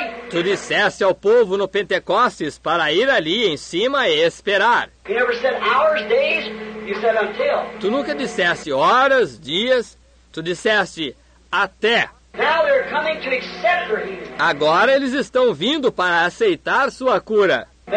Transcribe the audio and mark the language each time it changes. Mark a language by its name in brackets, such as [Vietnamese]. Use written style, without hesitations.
[Portuguese] Tu disseste ao povo no Pentecostes para ir ali em cima e esperar. [English] You never said hours, days. You said until. [Portuguese] Tu nunca disseste horas, dias. Tu disseste até. [English] Now they're coming to accept their healing. [Portuguese] Agora eles estão vindo para aceitar sua cura.